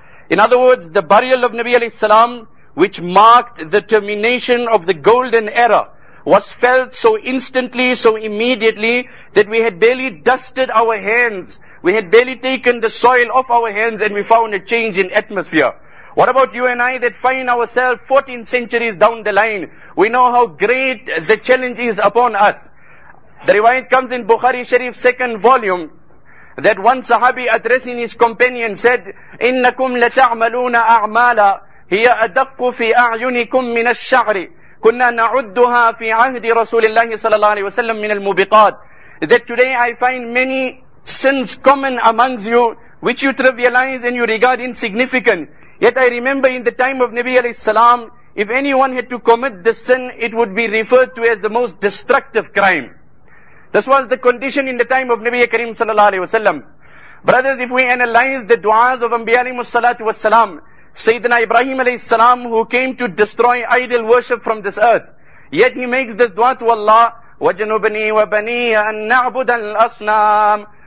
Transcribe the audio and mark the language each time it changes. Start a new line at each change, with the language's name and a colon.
English: In other words, the burial of Nabi alayhi salam, which marked the termination of the golden era, was felt so instantly, so immediately, that we had barely dusted our hands, we had barely taken the soil off our hands, and we found a change in atmosphere. What about you and I that find ourselves 14 centuries down the line? We know how great the challenge is upon us. The riwayat comes in Bukhari Sharif, second volume, that one sahabi addressing his companion said,
Arabic: إِنَّكُمْ لَتَعْمَلُونَ أَعْمَالًا هِيَ أَدَقُّ فِي أَعْيُنِكُمْ مِنَ الشَّعْرِ كُنَّا نَعُدُّهَا فِي عَهْدِ رَسُولِ اللَّهِ صَلَى اللَّهِ عَلَيْهِ وَسَلَّمْ مِنَ الْمُبِقَاتِ.
English: That today I find many sins common amongst you, which you trivialize and you regard insignificant. Yet I remember in the time of Nabi alayhi salam, if anyone had to commit this sin, it would be referred to as the most destructive crime. This was the condition in the time of Nabi Kareem sallallahu alayhi wa sallam. Brothers, if we analyze the du'as of Anbiya alayhi salatu wa salam, Sayyidina Ibrahim alayhi salam, who came to destroy idol worship from this earth, yet he makes this du'a to Allah,
Arabic: وَجَنُبْنِي وَبَنِيَ أَن نَعْبُدَ الْأَصْنَامِ.